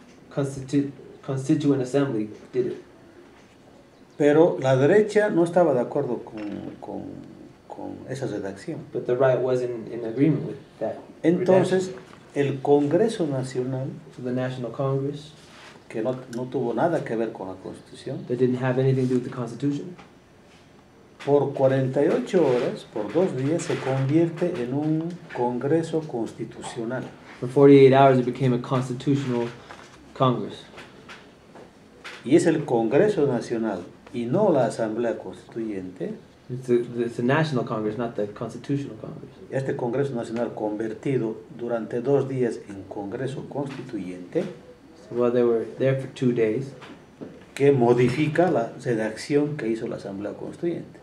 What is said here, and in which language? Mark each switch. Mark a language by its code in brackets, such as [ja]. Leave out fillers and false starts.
[en] Constituent Assembly did it. [es] Pero la derecha no estaba de acuerdo con esa redacción. [en] But the right wasn't in agreement with that. [es] Entonces, redaction. El Congreso Nacional, [en] so the National Congress, [es] que no tuvo nada que ver con la Constitución, [en] that didn't have anything to do with the Constitution, [es] por 48 horas, por 2 días, se convierte en un Congreso Constitucional. [en] For 48 hours it became a constitutional Congress. [es] Y es el Congreso Nacional y no la Asamblea Constituyente. [en] It's the National Congress, not the Constitutional Congress. [es] Este Congreso Nacional convertido durante 2 días en Congreso Constituyente. [en] So, well, they were there for 2 days. [es] Que modifica la redacción que hizo la Asamblea Constituyente.